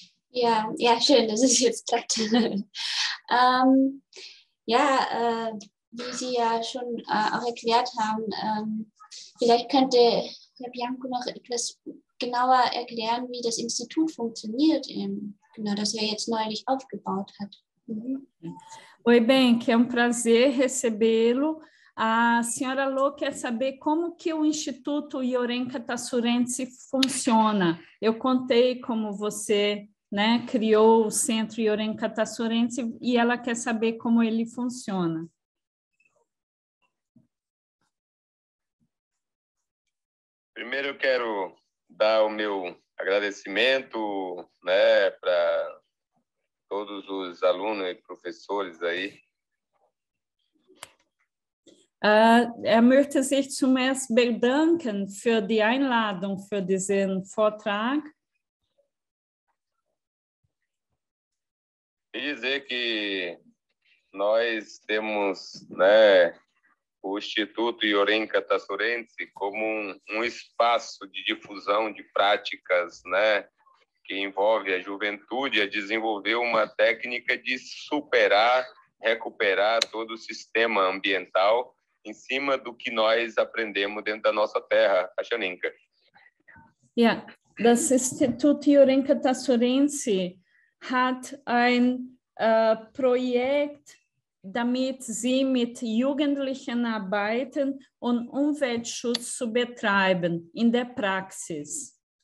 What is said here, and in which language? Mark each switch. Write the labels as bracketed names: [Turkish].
[German] Ja, schön, dass es jetzt klappt. wie Sie ja schon auch erklärt haben, vielleicht könnte Herr Bianco noch etwas genauer erklären, wie das Institut funktioniert, genau, das er jetzt neulich aufgebaut hat. [Portuguese] Oi, bem, que é um prazer recebê-lo. A senhora Lô quer saber como que o Instituto Iorenka Tassurentzi funciona. Eu contei como você, né, criou o Centro Iorenka Tassurentzi e ela quer saber como ele funciona. Primeiro, eu quero dar o meu agradecimento, né, para todos os alunos e professores aí. [German] Er möchte sich zuerst bedanken für die Einladung für diesen Vortrag. [Portuguese] E dizer que nós temos, né, o Instituto Iorenka Tassurentzi como um espaço de difusão de práticas, né, que envolve a juventude a desenvolver uma técnica de superar, recuperar todo o sistema ambiental em cima do que nós aprendemos dentro da nossa terra, a Xaninka. [German] Das Institut Iorenka Tassurentzi hat ein Projekt, damit sie mit Jugendlichen arbeiten und Umweltschutz zu betreiben in der Praxis.